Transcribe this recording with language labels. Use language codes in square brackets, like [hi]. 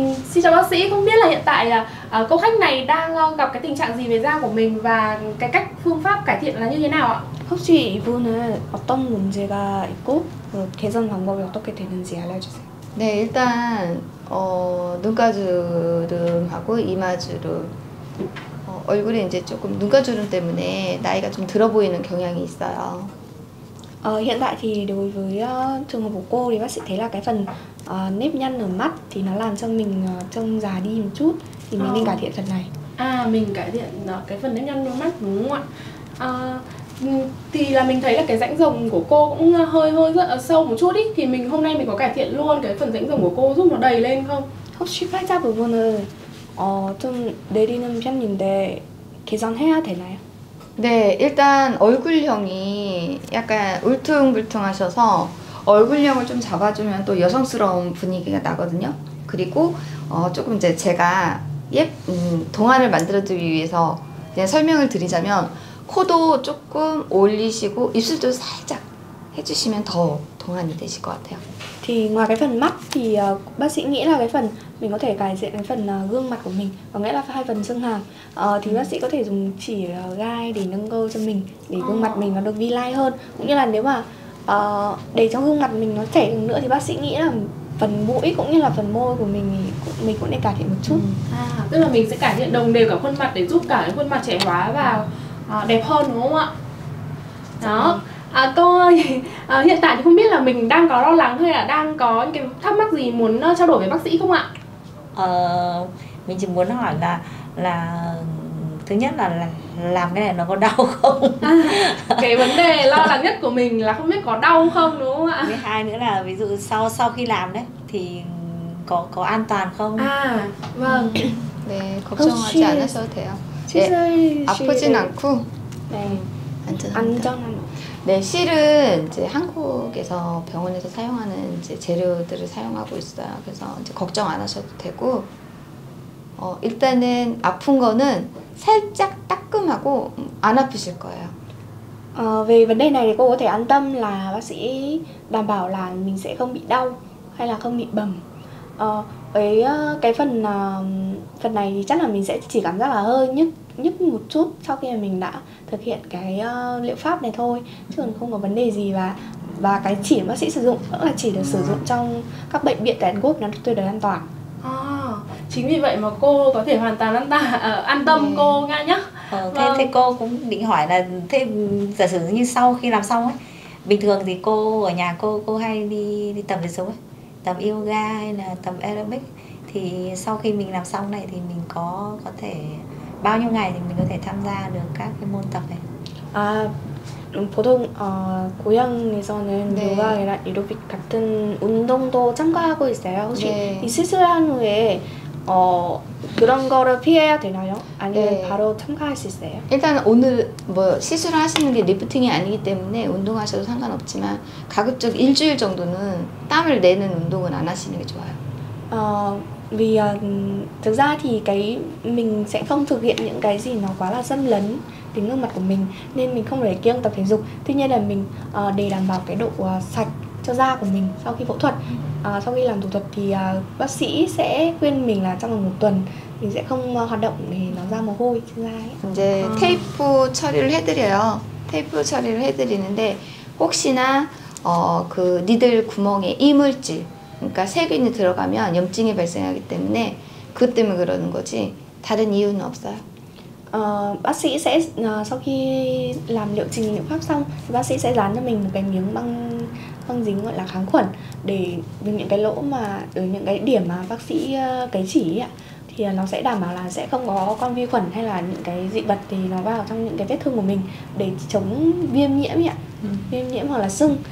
[vi] Xin chào bác sĩ, không biết là hiện tại cô khách này đang gặp cái tình trạng gì về da của mình và cái cách phương pháp cải thiện là như thế nào ạ? [ko] 혹시 이분은 어떤 문제가 있고 개선 방법이 어떻게 되는지 알려주세요. 네, 일단 눈가주름하고 이마주름, 얼굴에 이제 조금 눈가주름 때문에 나이가 좀 들어 보이는 경향이 있어요. [vi] Hiện tại thì đối với trường hợp của cô thì bác sĩ thấy là cái phần nếp nhăn ở mắt thì nó làm cho mình trông già đi một chút, thì mình nên cải thiện phần này. Mình cải thiện cái phần nếp nhăn ở mắt đúng không ạ? Thì là mình thấy là cái rãnh rồng của cô cũng hơi sâu một chút ý. Thì mình hôm nay mình có cải thiện luôn cái phần rãnh rồng của cô giúp nó đầy lên không? [ko] 혹시 팔자 부분을 좀 내리는 편인데 개선해야 되나요? 네, 일단 얼굴형이 약간 울퉁불퉁하셔서 얼굴형을 좀 잡아주면 또 여성스러운 분위기가 나거든요. 그리고 조금 이제 제가 동안을 만들어드리기 위해서 그냥 설명을 드리자면 코도 조금 올리시고 입술도 살짝 해주시면 더 동안이 되실 것 같아요. [vi] Thì ngoài cái phần mắt thì bác sĩ nghĩ là cái phần mình có thể cải thiện cái phần gương mặt của mình, có nghĩa là hai phần xương hàm. Thì bác sĩ có thể dùng chỉ gai để nâng cơ cho mình, để gương mặt mình nó được V-line hơn. Cũng như là nếu mà để cho gương mặt mình nó trẻ hơn nữa thì bác sĩ nghĩ là phần mũi cũng như là phần môi của mình thì mình cũng nên cải thiện một chút. Tức là mình sẽ cải thiện đồng đều cả khuôn mặt để giúp cả cái khuôn mặt trẻ hóa và đẹp hơn đúng không ạ? Đó. Cô ơi, hiện tại thì không biết là mình đang có lo lắng hay là đang có những cái thắc mắc gì muốn trao đổi với bác sĩ không ạ? Mình chỉ muốn hỏi là thứ nhất là làm cái này nó có đau không? Cái vấn đề lo lắng nhất của mình là không biết có đau không đúng không ạ? Thứ hai nữa là ví dụ sau khi làm đấy thì có an toàn không? Vâng. [ko] 네, 걱정하지 않으셔도 돼요. 네, 아프진 않고. 네. 안전합니다. 네, 실은 이제 한국에서 병원에서 사용하는 이제 재료들을 사용하고 있어요. 그래서 이제 걱정 안 하셔도 되고, 일단은 아픈 거는 살짝 따끔하고 안 아프실 거예요. [vi] Về vấn đề này thì cô có thể an tâm là bác sĩ đảm bảo là mình sẽ không bị đau hay là không bị bầm. Phần này thì chắc là mình sẽ chỉ cảm giác là hơi nhức một chút sau khi mà mình đã thực hiện cái liệu pháp này thôi, chứ còn không có vấn đề gì. Và cái chỉ bác sĩ sử dụng cũng là chỉ được sử dụng trong các bệnh viện tại Hàn Quốc, nó tuyệt đối an toàn. Chính vì vậy mà cô có thể hoàn toàn an tâm cô nha nhá. Thế cô cũng định hỏi là thế giả sử như sau khi làm xong ấy, bình thường thì cô ở nhà cô hay đi tập thể dục ấy, tập yoga hay là tập aerobic, thì sau khi mình làm xong này thì mình có thể bao nhiêu ngày thì mình có thể tham gia được các cái môn tập này? [ko] 보통 고향에서는 요가나 에어로빅 같은 운동도 참가하고 있어요. 혹시 이 수술한 후에 그런 거를 피해야 되나요? 아니면 바로 참가할 수 있어요? 일단 오늘 뭐 시술을 하시는 게 리프팅이 아니기 때문에 운동하셔도 상관없지만 가급적 일주일 정도는 땀을 내는 운동은 안 하시는 게 좋아요. [vi] Vì thực ra thì cái mình sẽ không thực hiện những cái gì nó quá là xâm lấn đến gương mặt của mình, nên mình không phải kiêng tập thể dục. Tuy nhiên là mình để đảm bảo cái độ sạch cho da của mình sau khi phẫu thuật, sau khi làm thủ thuật thì bác sĩ sẽ khuyên mình là trong vòng một tuần mình sẽ không hoạt động để nó ra mồ hôi trên da ấy. [ko] 이제 테이프 처리를 해드려요. 테이프 처리를 해드리는데 혹시나 그 니들 구멍에 이물질, 그러니까 세균이 들어가면 염증이 발생하기 때문에 그것 때문에 그러는 거지 다른 이유는 없어요. [vi] Bác sĩ sẽ sau khi làm liệu trình liệu pháp xong thì bác sĩ sẽ dán cho mình một cái miếng băng dính gọi là kháng khuẩn để những cái lỗ mà ở những cái điểm mà bác sĩ cấy chỉ ạ, thì nó sẽ đảm bảo là sẽ không có con vi khuẩn hay là những cái dị vật thì nó vào trong những cái vết thương của mình để chống viêm nhiễm ạ. Viêm nhiễm hoặc là sưng.